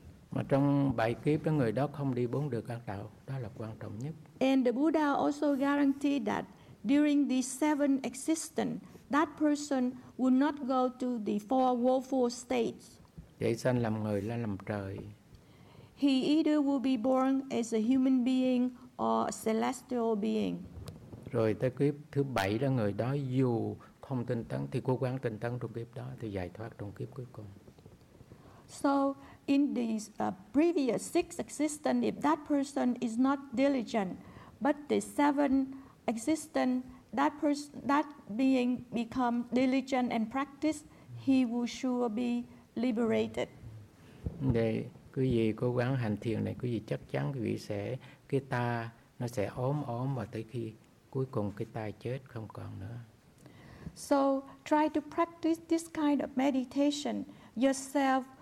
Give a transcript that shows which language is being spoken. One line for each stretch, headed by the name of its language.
Vietnamese: Mà trong bảy kiếp đó, người đó không đi bốn đường ác đạo, đó là quan trọng nhất.
English: And the Buddha also guaranteed that during the seven existence, that person will not go to the four woeful states.
Vietnamese: Vậy sanh làm người là làm trời.
English: He either will be born as a human being or a celestial being.
Vietnamese: Rồi tới kiếp thứ bảy đó, người đó dù không tinh tấn thì cố gắng tinh tấn trong kiếp đó thì giải thoát trong kiếp cuối cùng.
English: So in these previous six existence, if that person is not diligent, but the seven existence, that person, that being become diligent and practice, he will sure be liberated.
Vietnamese: Để quý vị cố gắng hành thiền này, quý vị chắc chắn quý vị sẽ cái ta nó sẽ ốm và tới khi cuối cùng cái ta chết không còn nữa.
English: So try to practice this kind of meditation yourself.